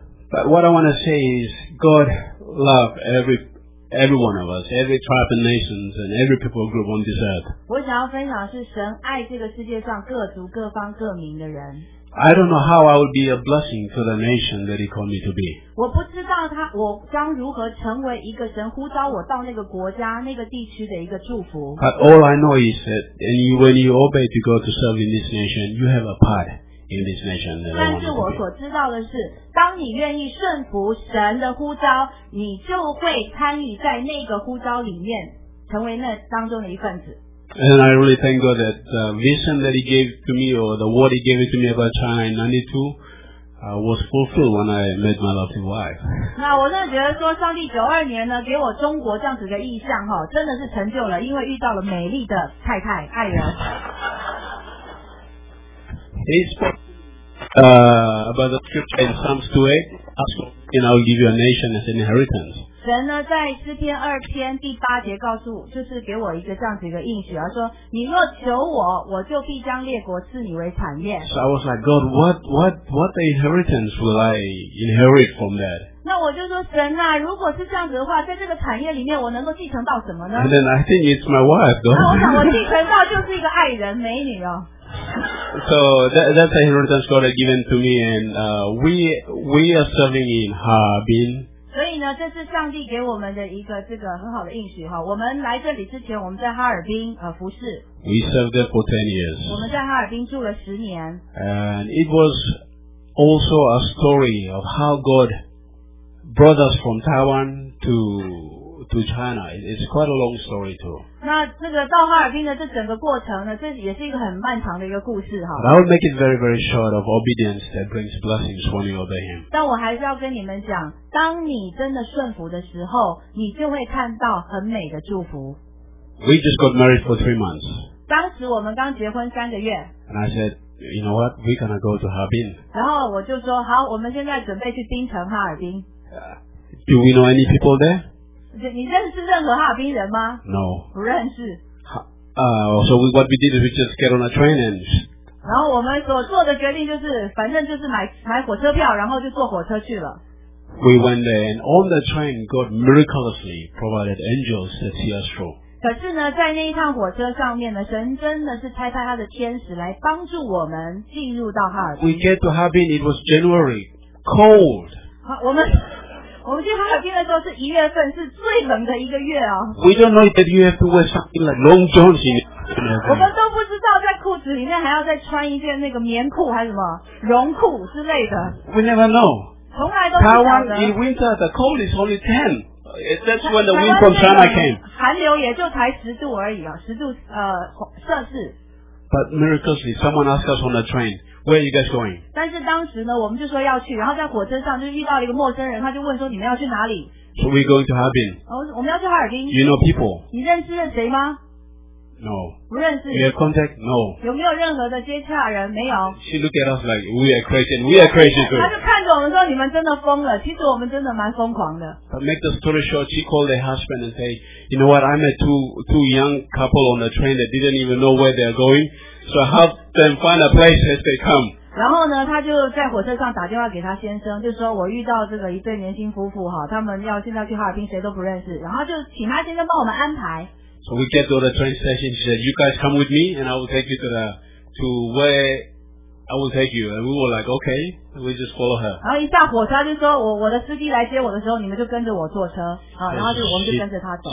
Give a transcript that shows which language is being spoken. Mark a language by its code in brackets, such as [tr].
[en] But what I want to say is God loves every one of us, every tribe and nations and every people group on this earth. [zh] 我想要分享的是神爱这个世界上各族各方各民的人。 [en] I don't know how I would be a blessing to the nation that he called me to be. [zh] 我不知道他，我将如何成为一个神呼召我到那个国家、那个地区的一个祝福。 [en] But all I know is that when you obey to go to serve in this nation, you have a part in this nation. [zh] 但是我所知道的是，当你愿意顺服神的呼召，你就会参与在那个呼召里面，成为那当中的一份子。 [en] And I really thank God that the vision that he gave to me or the word he gave to me about China in 92 was fulfilled when I met my lovely wife. [zh] 那我真的觉得说上帝92年呢给我中国这样子的意象齁，真的是成就了，因为遇到了美丽的太太爱人。 [en] He spoke about the scripture in Psalms 2:8, ask for me and I will give you a nation as an inheritance. [zh] 神呢在诗篇二篇第八节告诉我，就是给我一个这样子一个应许，他说你若求我，我就必将列国赐你为产业。 [en] So I was like, God, what the inheritance will I inherit from that? [zh] 那我就说神啊，如果是这样子的话，在这个产业里面我能够继承到什么呢？ [en] And then I think it's my wife, God. [zh] 那我想我继承到就是一个爱人美女哦。 [en] So that's the inheritance God had given to me, and we are serving in Harbin. [zh] 所以呢，这是上帝给我们的一个这个很好的应许哈。我们来这里之前，我们在哈尔滨服事。 [en] We served there for 10 years. [zh] 我们在哈尔滨住了十年。 [en] And it was also a story of how God brought us from Taiwan to China. It's quite a long story too. [zh] 那这个到哈尔滨的这整个过程呢，这也是一个很漫长的一个故事哈。 [en] But I will make it very very short of obedience that brings blessings when you obey Him. [zh] 但我还是要跟你们讲，当你真的顺服的时候，你就会看到很美的祝福。 [en] We just got married for 3 months. [zh] 当时我们刚结婚三个月。 [en] And I said, you know what? We're gonna go to Harbin. [zh] 然后我就说，好，我们现在准备去槟城哈尔滨。 [en] Do we know any people there? [zh] 你认识任何哈尔滨人吗 [en] ？No， [zh] 不认识。 [en] So what we did is we just get on a train and. [zh] 然后我们所做的决定就是，反正就是买火车票，然后就坐火车去了。 [en] We went there and on the train, God miraculously provided angels to see us through. [zh] 可是呢，在那一趟火车上面呢，神真的是差派他的天使来帮助我们进入到哈尔滨。 [en] We get to Harbin, it was January, cold. [zh] 我们去哈尔滨的时候是一月份，是最冷的一个月哦。 [en] We don't know that you have to wear something like long johns in there. [zh] 我们都不知道在裤子里面还要再穿一件那个棉裤还是什么绒裤之类的。 [en] We never know. [zh] 从来都不知道。 [en] 台湾 in winter the cold is only 10. That's when the wind from China came. [zh] 寒流也就才十度而已哦，十度摄氏。 [en] But miraculously, someone asked us on the train. Where are you guys going? [zh] 但是当时呢，我们就说要去，然后在火车上就遇到了一个陌生人，他就问说你们要去哪里 [en] ？So we going to Harbin. [zh] 我们要去哈尔滨。 [en] You know people? [zh] 你认识谁吗 [en] No. [zh] 不认识。 [en] We have contact? No. [zh] 有没有任何的接洽人？没有。 [en] She looked at us like, we are crazy, we are crazy too. [zh] 她就看着我们说，你们真的疯了。其实我们真的蛮疯狂的。 [en] But make the story short, she called her husband and said, you know what, I met two young couple on the train that didn't even know where they're going, so help them find a place as they come. [zh] 然后呢他就在火车上打电话给他先生，就说我遇到这个一对年轻夫妇，他们要现在去哈尔滨，谁都不认识，然后就请他先生帮我们安排。 [en] So we get to the train station, she said, you guys come with me and I will take you to where I will take you, and we were like, okay, we just follow her. [zh] 然后一下火车就说我的司机来接我的时候，你们就跟着我坐车，然后就我们就跟着他走。